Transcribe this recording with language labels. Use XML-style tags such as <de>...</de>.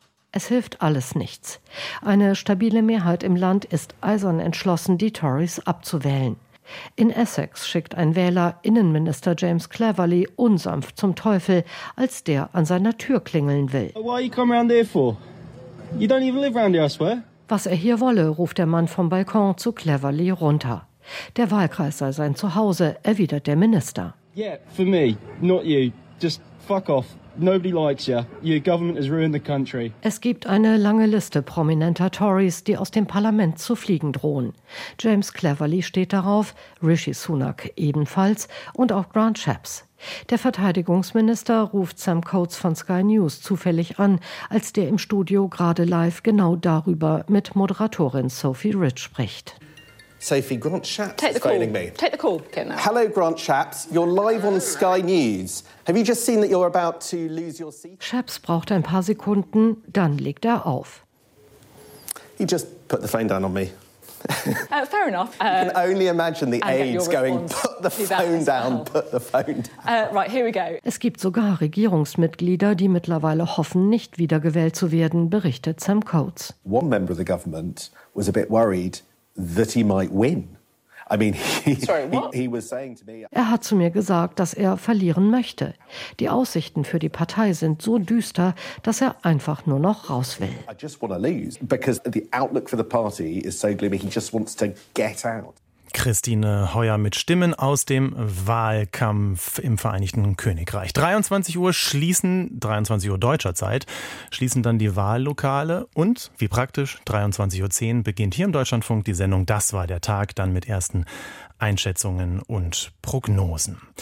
<de>Es hilft alles nichts. Eine stabile Mehrheit im Land ist eisern entschlossen, die Tories abzuwählen. In Essex schickt ein Wähler Innenminister James Cleverly unsanft zum Teufel, als der an seiner Tür klingeln will.</de> <en>Why are you coming round here for? You don't even live round here, I swear.</en> <de>Was er hier wolle, ruft der Mann vom Balkon zu Cleverly runter. Der Wahlkreis sei sein Zuhause, erwidert der Minister.</de> <en>Yeah, for me, not you. Just fuck off. Nobody likes you. Your government has ruined the country.</en> <de>Es gibt eine lange Liste prominenter Tories, die aus dem Parlament zu fliegen drohen. James Cleverly steht darauf, Rishi Sunak ebenfalls und auch Grant Shapps. Der Verteidigungsminister ruft Sam Coates von Sky News zufällig an, als der im Studio gerade live genau darüber mit Moderatorin Sophie Rich spricht.</de> <en>Sophie, Grant Shapps is phoning me. Take the call, Kenna. Hello, Grant Shapps. You're live on Sky News. Have you just seen that you're about to lose your seat?</en> <de>Shapps braucht ein paar Sekunden, dann legt er auf.</de> <en>He just put the phone down on me. Fair enough. You can only imagine the aides going, put the phone down, put the phone down. Right, here we go.</en> <de>Es gibt sogar Regierungsmitglieder, die mittlerweile hoffen, nicht wiedergewählt zu werden, berichtet Sam Coates.</de> <en>One member of the government was a bit worried that he might win. I mean, he was saying to me.</en> <de>Er hat zu mir gesagt, dass er verlieren möchte. Die Aussichten für die Partei sind so düster, dass er einfach nur noch raus will.</de> <en>I just want to lose because the outlook for the party is so gloomy. He just wants to get out.</en> <de>Christine Heuer mit Stimmen aus dem Wahlkampf im Vereinigten Königreich. 23 Uhr deutscher Zeit, schließen dann die Wahllokale und, wie praktisch, 23.10 Uhr beginnt hier im Deutschlandfunk die Sendung Das war der Tag, dann mit ersten Einschätzungen und Prognosen.</de>